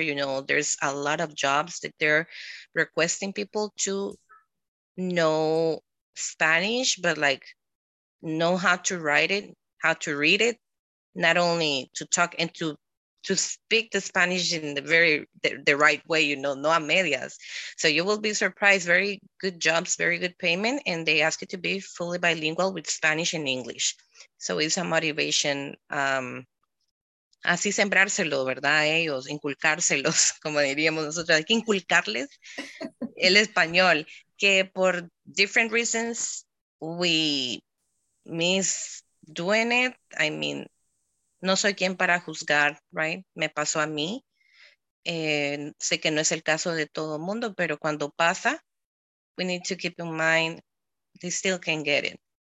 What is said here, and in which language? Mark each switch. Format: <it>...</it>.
<en>You know, there's a lot of jobs that they're requesting people to know Spanish, but like know how to write it, how to read it, not only to talk and to speak the Spanish in the right way, you know, no a medias. So you will be surprised. Very good jobs, very good payment, and they ask you to be fully bilingual with Spanish and English. So it's a motivation.</en> <es>Así sembrárselo, ¿verdad? Ellos, inculcárselos, como diríamos nosotros. Hay que inculcarles el español.</es> <en>Que for different reasons, we miss doing it.</en> <es>I mean, no soy quien para juzgar, right? Me pasó a mí. Sé que no es el caso de todo mundo, pero cuando pasa, we need to keep in mind they still can get it.</es>